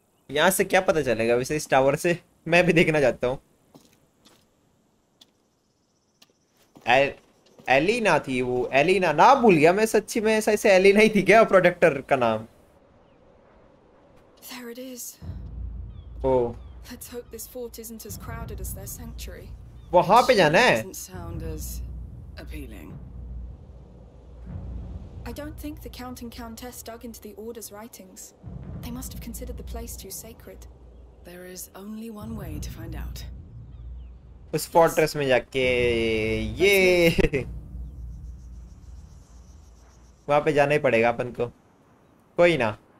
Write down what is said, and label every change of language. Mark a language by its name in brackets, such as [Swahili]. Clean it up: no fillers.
[Hindi] यहाँ से क्या पता चलेगा वैसे, इस टावर से मैं भी देखना चाहता हूँ। एलीना थी वो, एलीना ना भूल गया मैं सच्ची में, ऐसा ऐसे एलीना ही थी क्या प्रोटेक्टर का नाम। [English] There it is. Oh. Let's hope this fort isn't as crowded as their sanctuary. [Hindi] वहाँ पे जाना है। [English] Doesn't sound as appealing. I don't think the Count and Countess dug into the Order's writings. They must have considered the place too sacred. There is only one way to find out. [Hindi] उस fortress में जाके, ये वहाँ पे जाना ही पड़ेगा अपन को, कोई ना।